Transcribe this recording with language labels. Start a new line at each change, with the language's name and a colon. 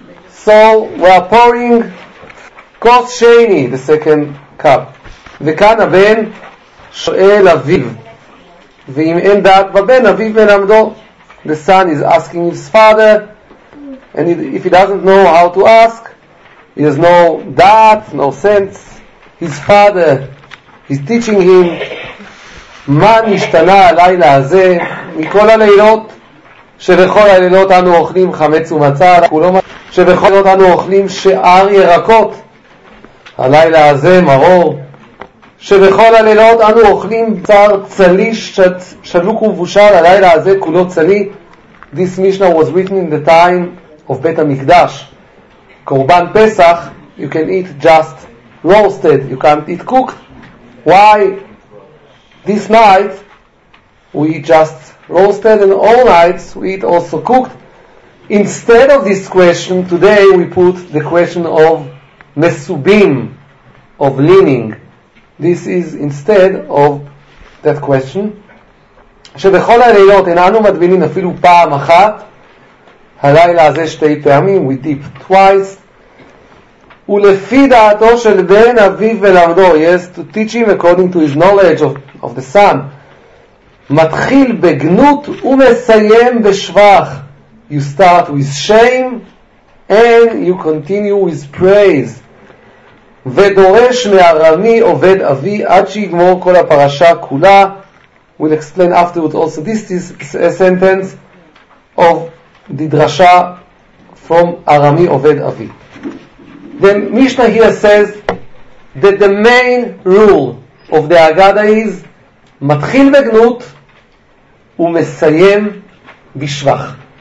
English: So we are pouring kos sheini, the second cup.
Hebrew: V'chan aben shoel aviv. V'im en dat v'ben aviv melamdo.
English: The son is asking his father, and if he doesn't know how to ask, he has no da'at, no sense. His father is teaching him,
Hebrew: מה נשתנה הלילה הזה מכל הלילות שבכל הלילות אנו אוכלים חמץ ומצה, שבכל הלילות אנו אוכלים שאר ירקות, הלילה הזה מרור, שבכל הלילות אנו אוכלים בשר צלי שלוק ובושל, הלילה הזה כולו צלי.
English: This Mishnah was written in the time of Bet HaMikdash. Korban Pesach, you can eat just roasted, you can't eat cooked. Why? This night, we eat just roasted, and all nights, we eat also cooked. Instead of this question, today we put the question of Mesubim, of leaning. This is instead of that question.
Hebrew: שבכל הלילות איננו מדבינים אפילו פעם אחת, הלילה הזה שתי פעמים,
English: we dip twice.
Hebrew: ולפי דעתו של בן אביו ולמדו,
English: yes, to teach him according to his knowledge of the son,
Hebrew: מתחיל בגנות ומסיים בשבח.
English: You start with shame and you continue with praise.
Hebrew: ודורש מארמי עובד אבי עד שיגמור כל הפרשה כולה.
English: We'll explain afterwards also. This is a sentence of the drasha from Arami Oved Avi. The Mishnah here says that the main rule of the Agada is
Hebrew: Matchil Begnut Umesayem Bishvach.